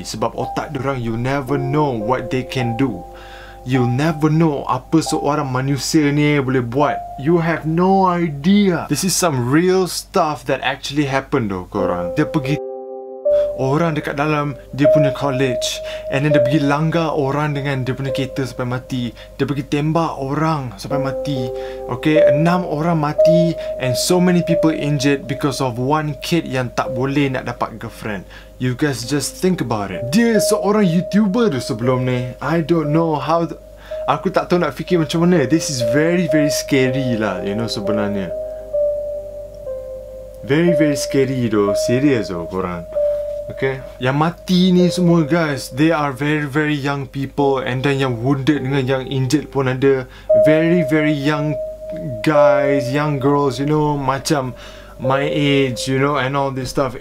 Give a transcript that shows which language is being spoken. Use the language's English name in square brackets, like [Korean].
[Malay] Sebab otak diorang, [English] you never know what they can do. You never know [Malay] apa seorang manusia ni boleh buat. [English] You have no idea. This is some real stuff that actually happened though, [Malay] korang. Dia pergi orang dekat dalam dia punya college, [English] and then [Malay] dia pergi langgar orang dengan dia punya kereta sampai mati. Dia pergi tembak orang sampai mati. Okay, 6 orang mati [English] and so many people injured because of one kid [Malay] yang tak boleh nak dapat girlfriend. [English] You guys just think about it. [Malay] Dia seorang YouTuber tu sebelum ni. [English] I don't know how [Malay] aku tak tahu nak fikir macam mana. [English] This is very very scary lah, you know, [Malay] sebenarnya. [English] Very very scary though. Serious though [Malay] korang. [English] Okay. [Malay] Yang mati ni semua [English] guys, they are very very young people. And then [Malay] yang wounded dengan yang injured pun ada. [English] Very very young guys, young girls, you know, [Malay] macam [English] my age, you know, and all this stuff.